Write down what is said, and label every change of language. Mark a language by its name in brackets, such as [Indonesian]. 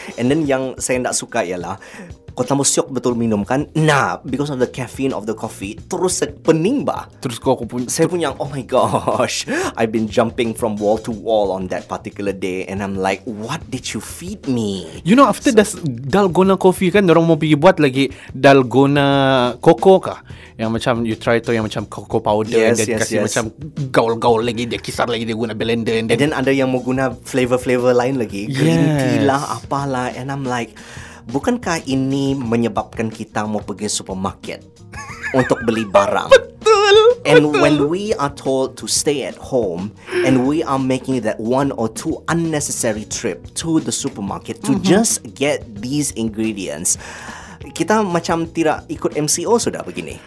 [Malay] And then yang saya tak suka ialah kau tambah syok betul minum kan. [English] Nah, because of the caffeine of the coffee, [Malay] terus pening bah. Terus aku pun saya punya, [English] oh my gosh, I've been jumping from wall to wall on that particular day. And I'm like, what did you feed me? You know, after so, [Malay] dalgona coffee kan, orang mau pergi buat lagi dalgona cocoa kah? Yang macam [English] you try [Malay] tu yang macam cocoa powder, [English] yes, and then yes, [Malay] kasih [English] yes. [Malay] Macam gaul-gaul lagi, dia kisar lagi, dia guna blender. [English] And then [Malay] ada yang mau guna flavor-flavor lain lagi, [English] yes. [Malay] Green tea lah, apalah. [English] And I'm like, [Malay] bukankah ini menyebabkan kita mau pergi supermarket untuk beli barang? Betul. [English] And [Malay] betul. [English] When we are told to stay at home and we are making that one or two unnecessary trip to the supermarket to just get these ingredients, [Malay] kita macam tidak ikut MCO sudah begini.